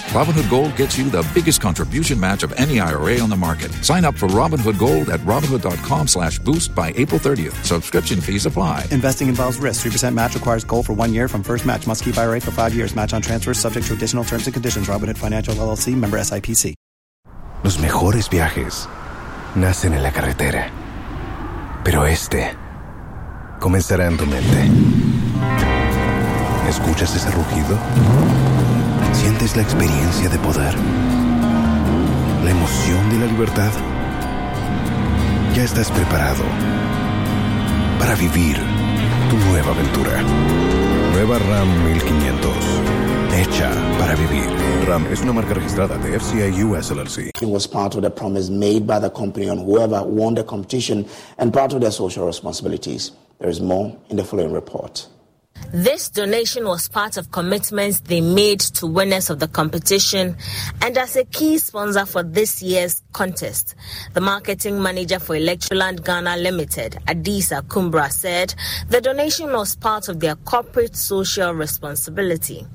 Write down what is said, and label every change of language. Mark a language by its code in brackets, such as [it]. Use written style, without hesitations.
[en] Robinhood Gold gets you the biggest contribution match of any IRA on the market. Sign up for Robinhood Gold at Robinhood.com/boost by April 30th. Subscription fees apply. Investing involves risk. 3% match requires gold for 1 year from first match. Must keep IRA for 5 years. Match on transfers subject to additional terms and conditions. Robinhood Financial LLC, member SIPC. [es] Los mejores viajes nacen en la carretera, pero este comenzará en tu mente. ¿Escuchas ese rugido? ¿Sientes la experiencia de poder? ¿La emoción de la libertad? ¿Ya estás preparado para vivir tu nueva aventura. Nueva Ram 1500. Hecha para vivir. Ram es una marca registrada de FCA US LLC. [en] It was part of the promise made by the company on whoever won the competition and part of their social responsibilities. There is more in the following report. This donation was part of commitments they made to winners of the competition, and as a key sponsor for this year's contest, the marketing manager for Electroland Ghana Limited, Adisa Kumbra, said the donation was part of their corporate social responsibility.